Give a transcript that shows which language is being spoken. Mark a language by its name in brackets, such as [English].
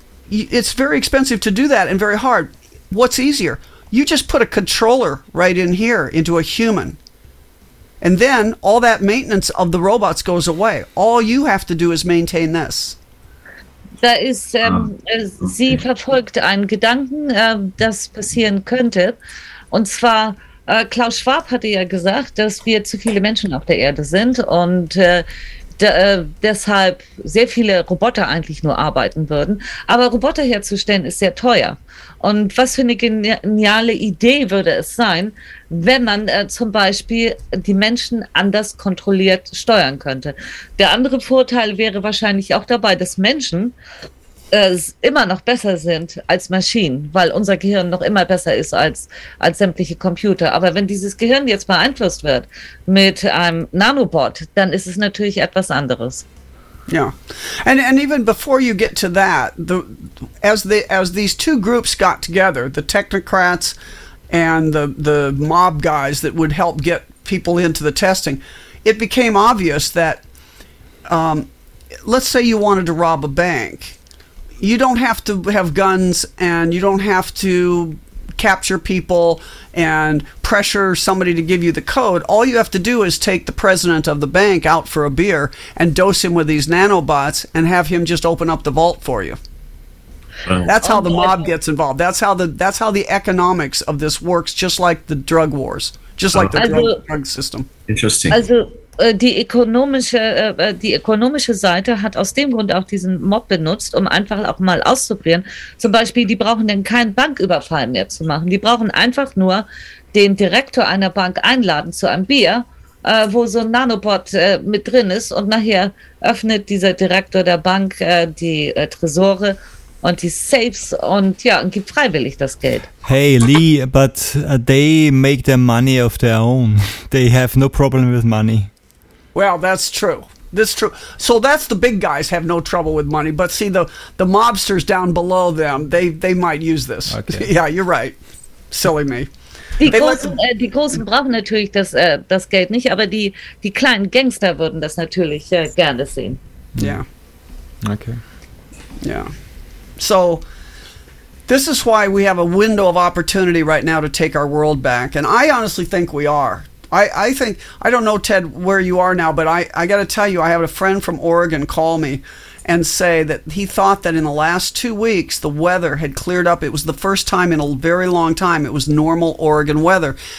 [English] It's very expensive to do that and very hard. What's easier? You just put a controller right in here into a human. And then all that maintenance of the robots goes away. All you have to do is maintain this. [German] Da ist, sie verfolgt einen Gedanken, das passieren könnte. Und zwar, Klaus Schwab hatte ja gesagt, dass wir zu viele Menschen auf der Erde sind und deshalb sehr viele Roboter eigentlich nur arbeiten würden. Aber Roboter herzustellen ist sehr teuer. Und was für eine geniale Idee würde es sein, wenn man zum Beispiel die Menschen anders kontrolliert steuern könnte. Der andere Vorteil wäre wahrscheinlich auch dabei, dass Menschen immer noch besser sind als Maschinen, weil unser Gehirn noch immer besser ist als sämtliche Computer. Aber wenn dieses Gehirn jetzt beeinflusst wird mit einem Nanobot, dann ist es natürlich etwas anderes. Ja. Yeah. [English] And even before you get to that, as these two groups got together, the technocrats and the mob guys that would help get people into the testing, it became obvious that let's say you wanted to rob a bank. You don't have to have guns, and you don't have to capture people and pressure somebody to give you the code. All you have to do is take the president of the bank out for a beer and dose him with these nanobots and have him just open up the vault for you. That's how the mob gets involved. That's how the economics of this works, just like the drug wars, just like the drug system. Interesting. [German] Die ökonomische Seite hat aus dem Grund auch diesen Mob benutzt, um einfach auch mal auszuprobieren. Zum Beispiel, die brauchen dann keinen Banküberfall mehr zu machen. Die brauchen einfach nur den Direktor einer Bank einladen zu einem Bier, wo so ein Nanobot mit drin ist. Und nachher öffnet dieser Direktor der Bank die Tresore und die Safes und gibt freiwillig das Geld. [English] Hey Lee, but they make their money of their own. They have no problem with money. Well, that's true. That's true. So that's the big guys have no trouble with money. But see, the mobsters down below them, they might use this. Okay. Yeah, you're right. Silly me. [German] Die Großen brauchen natürlich das Geld nicht, aber die kleinen Gangster würden das natürlich gerne sehen. Yeah. Okay. Yeah. [English] So this is why we have a window of opportunity right now to take our world back. And I honestly think we are. I think, I don't know, Ted, where you are now, but I got to tell you, I have a friend from Oregon call me and say that he thought that in the last 2 weeks, the weather had cleared up. It was the first time in a very long time it was normal Oregon weather.